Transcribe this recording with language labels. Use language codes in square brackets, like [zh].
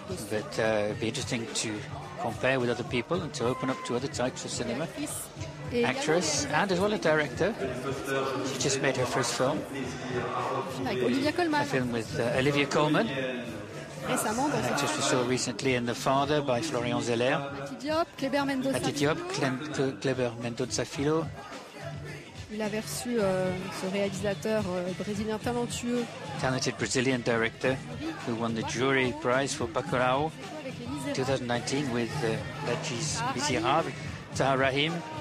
[en] But it'd be interesting to compare with other people and to open up to other types of cinema. Actress and as well a director. She just made her first film. A film with Olivia Colman. An actress we saw recently in The Father by Florian Zeller. Mati Diop, Kleber Mendoza Filho. [fr] Il avait reçu ce réalisateur brésilien talentueux. [en] Talented Brazilian director who won the jury prize for Bacurau 2019 with Les Misérables. Tahar Rahim.